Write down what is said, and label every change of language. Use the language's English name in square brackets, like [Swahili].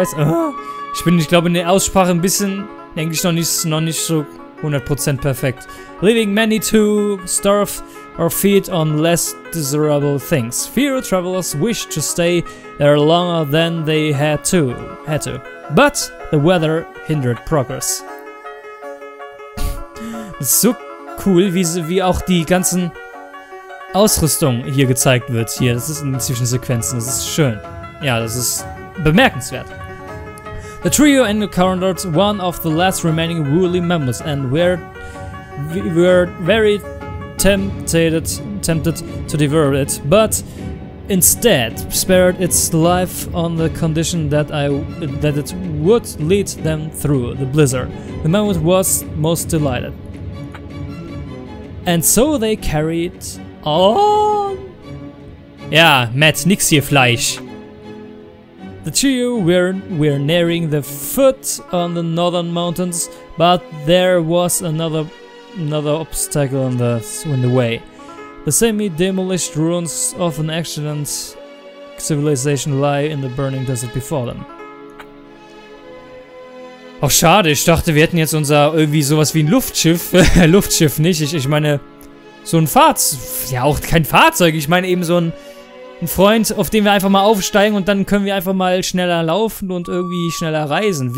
[German] Ich bin, ich glaube, in der Aussprache ein bisschen, denke ich, noch nicht so 100% perfekt. [English] Leaving many to starve or feed on less desirable things. Few travelers wish to stay there longer than they had to. But the weather hindered progress. [German] So cool, wie auch die ganzen Ausrüstung hier gezeigt wird. Hier, das ist in den Zwischensequenzen, das ist schön. Ja, das ist bemerkenswert. [English] The trio encountered one of the last remaining woolly mammals and were very tempted to devour it, but instead spared its life on the condition that it would lead them through the blizzard. The mammal was most delighted. And so they carried on. [German] Ja, Matt, nix hier Fleisch. [English] The trio were nearing the foot on the northern mountains, but there was another obstacle in the way. The semi-demolished ruins of an ancient civilization lie in the burning desert before them. [German] Ach schade, ich dachte, wir hätten jetzt unser irgendwie sowas wie ein Luftschiff. Luftschiff nicht, ich meine so ein Fahrzeug. Ja, auch kein Fahrzeug, ich meine eben so ein Freund, auf den wir einfach mal aufsteigen und dann können wir einfach mal schneller laufen und irgendwie schneller reisen.